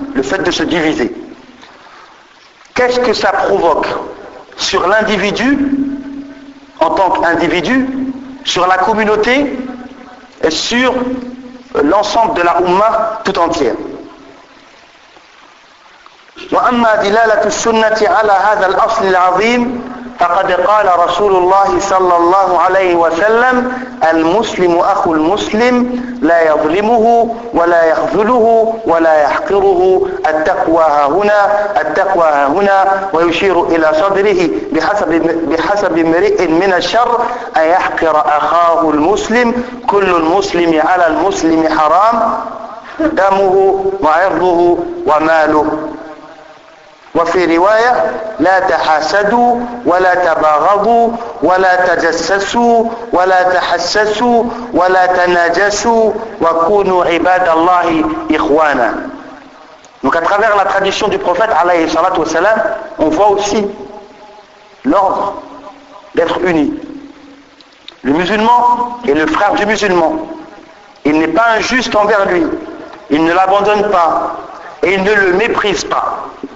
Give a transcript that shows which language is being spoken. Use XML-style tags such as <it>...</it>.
<fr>Le fait de se diviser. Qu'est-ce que ça provoque sur l'individu, en tant qu'individu, sur la communauté, et sur l'ensemble de la Ummah tout entière.</fr> <ar>وَأَمَّا دِلَالَةُ السُّنَّةِ عَلَى هَذَا الْأَصْلِ الْعَظِيمِ فقد قال رسول الله صلى الله عليه وسلم المسلم أخو المسلم لا يظلمه ولا يخذله ولا يحقره التقوى هنا ويشير إلى صدره بحسب امرئ من الشر أن يحقر أخاه المسلم كل المسلم على المسلم حرام دمه وعرضه وماله. وفي رواية لا تحاسدوا ولا تباغضوا ولا تجسسوا ولا تحسسوا ولا تناجسوا وكونوا عباد الله إخوانا.</ar> <fr>Donc à travers la tradition du prophète alayhi salatu wa salam, on voit aussi l'ordre d'être uni. Le musulman est le frère du musulman. Il n'est pas injuste envers lui. Il ne l'abandonne pas et il ne le méprise pas.</fr>